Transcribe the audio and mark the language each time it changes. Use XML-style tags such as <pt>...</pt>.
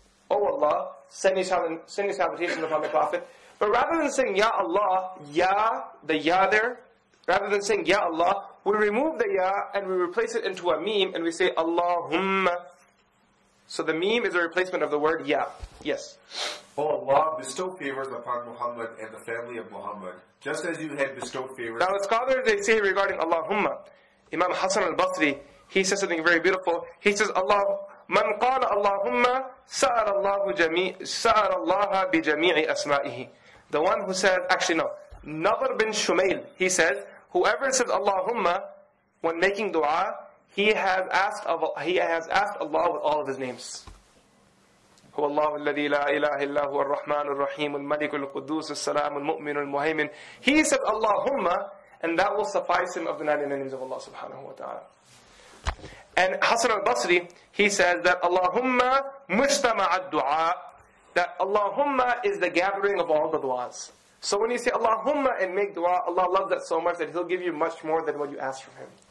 <en>O Allah, send your salutations upon the Prophet. But rather than saying Ya Allah, Ya, the Ya there, rather than saying Ya Allah, we remove the Ya and we replace it into a meme and we say Allahumma. So the meme is a replacement of the word Ya. Yes. O Allah, bestow favors upon Muhammad and the family of Muhammad, just as you had bestowed favors. Now the scholars, they say regarding Allahumma, Imam Hassan al-Basri, he says something very beautiful. He says, Allah,</en> <ar>من قال اللهم سأل الله جميع سأل الله بجميع أسمائه.</ar> <en>The one who said, actually no, Nadr bin Shumail, he said, whoever says Allahumma when making dua, he has asked Allah with all of his names.</en> <ar>هو الله الذي لا إله إلا هو الرحمن الرحيم الملك القدوس السلام المؤمن المهيمن.</ar> <en>He said Allahumma, and that will suffice him of the 99 names of Allah subhanahu wa ta'ala. And Hassan al-Basri, he says that Allahumma mustama'a du'a, that Allahumma is the gathering of all the du'as. So when you say Allahumma and make dua, Allah loves that so much that He'll give you much more than what you ask from Him.</en>